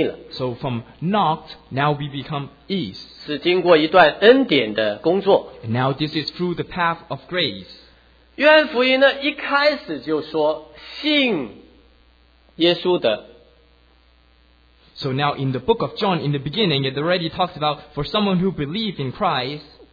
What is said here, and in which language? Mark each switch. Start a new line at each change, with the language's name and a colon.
English: so from not, now we become is.
Chinese: 是经过一段恩典的工作。
English: And now this is through the path of grace.
Chinese: 约翰福音呢, 一开始就说, 信耶稣的,
English: So now in the book of John, in the beginning, it already talks about for someone who believes in Christ,